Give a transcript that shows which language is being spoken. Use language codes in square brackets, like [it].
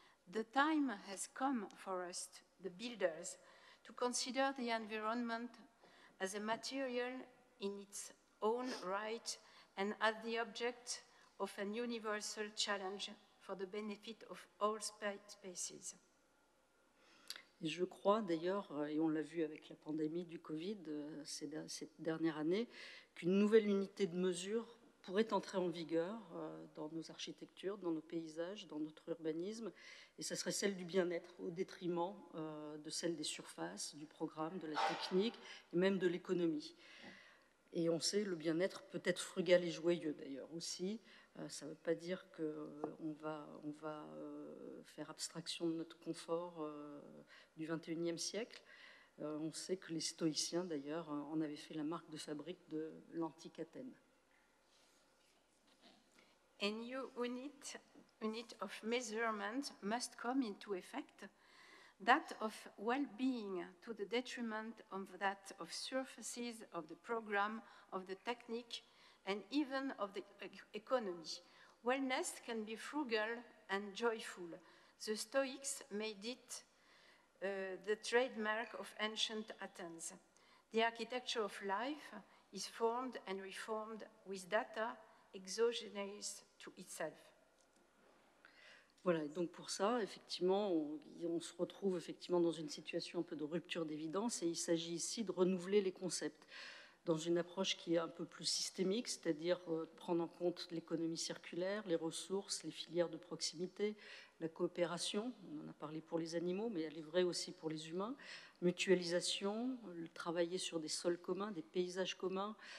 [en] The time has come for us, the builders, to consider the environment as a material in its own right and as the object of a universal challenge for the benefit of all species. [fr] Et je crois d'ailleurs, et on l'a vu avec la pandémie du Covid cette dernière année, qu'une nouvelle unité de mesure pourrait entrer en vigueur dans nos architectures, dans nos paysages, dans notre urbanisme, et ce serait celle du bien-être au détriment de celle des surfaces, du programme, de la technique et même de l'économie. Et on sait, le bien-être peut être frugal et joyeux d'ailleurs aussi. Ça ne veut pas dire qu'on va faire abstraction de notre confort du 21e siècle. On sait que les stoïciens d'ailleurs en avaient fait la marque de fabrique de l'antique Athènes. [en] A new unit of measurement must come into effect, that of well-being to the detriment of that of surfaces, of the program, of the technique, and even of the economy. Wellness can be frugal and joyful. The Stoics made it the trademark of ancient Athens. The architecture of life is formed and reformed with data exogenous to itself. [fr] Voilà, donc pour ça, effectivement, on se retrouve effectivement dans une situation un peu de rupture d'évidence et il s'agit ici de renouveler les concepts dans une approche qui est un peu plus systémique, c'est-à-dire prendre en compte l'économie circulaire, les ressources, les filières de proximité, la coopération, on en a parlé pour les animaux, mais elle est vraie aussi pour les humains, mutualisation, travailler sur des sols communs, des paysages communs,